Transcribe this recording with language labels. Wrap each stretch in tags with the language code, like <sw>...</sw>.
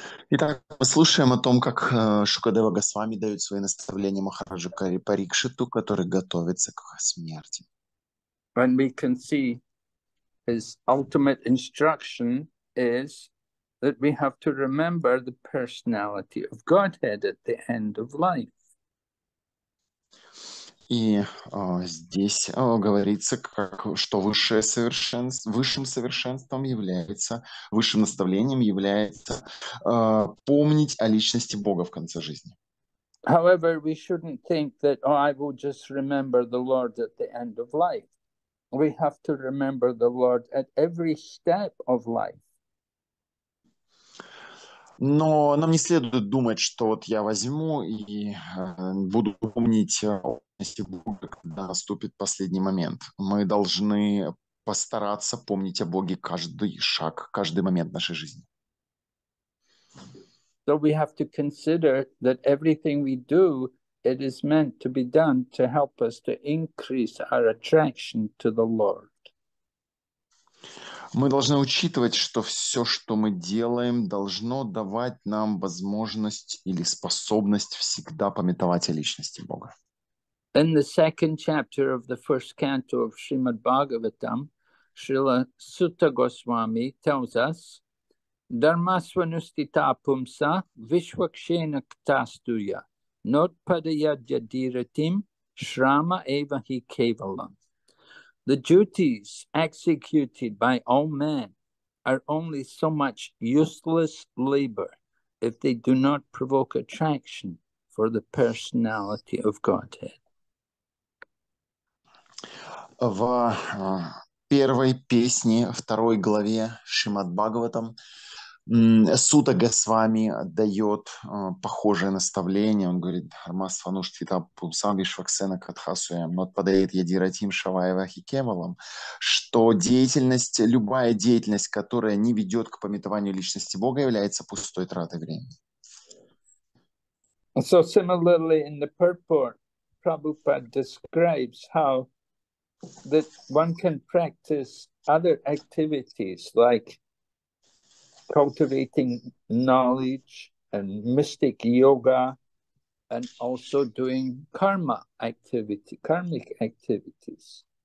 <ru>Итак, мы слушаем о том, как Шукадева Госвами дает свои наставления Махараджу Кари Парикшиту, который готовится к смерти.</ru> <en>When we can see his ultimate instruction is that we have to remember the personality of Godhead at the end of life.</en> <ru>И здесь говорится, что высшее совершенство, высшим совершенством является, высшим наставлением является помнить о личности Бога в конце жизни.</ru> <en>However, we shouldn't think that, oh, I will just remember the Lord at the end of life. We have to remember the Lord at every step of life.</en> <ru>Но нам не следует думать, что вот я возьму и буду помнить о Боге, когда наступит последний момент. Мы должны постараться помнить о Боге каждый шаг, каждый момент нашей жизни.</ru> <en>So we have to consider that everything we do, it is meant to be done to help us to increase our attraction to the Lord.</en> <ru>Мы должны учитывать, что все, что мы делаем, должно давать нам возможность или способность всегда памятовать о личности Бога.</ru> <en>In the second chapter of the first canto of Srimad Bhagavatam, Srila Sutta Goswami tells us,</en> <sa>Dharmasvanustita pumsa vishvakshena ktastuya notpadayajadiratim shrama eva hi kevalam.</sa> <en>The duties executed by all men are only so much useless labor if they do not provoke attraction for the personality of Godhead.</en> <ru>В первой песне, второй главе Шримад Бхагаватам Сута Госвами дает похожее наставление. Он говорит:</ru> <sa>«Дхармасва нуштита пумсам вишваксена катхасуя нотпадает ядиратим шаваева хикевалам»,</sa> <ru>что деятельность, любая деятельность, которая не ведет к памятованию личности Бога, является пустой тратой времени.</ru> <en>And so similarly in the purport, Prabhupada describes how that one can practice other activities like cultivating knowledge and mystic yoga and also doing karmic activities.</en>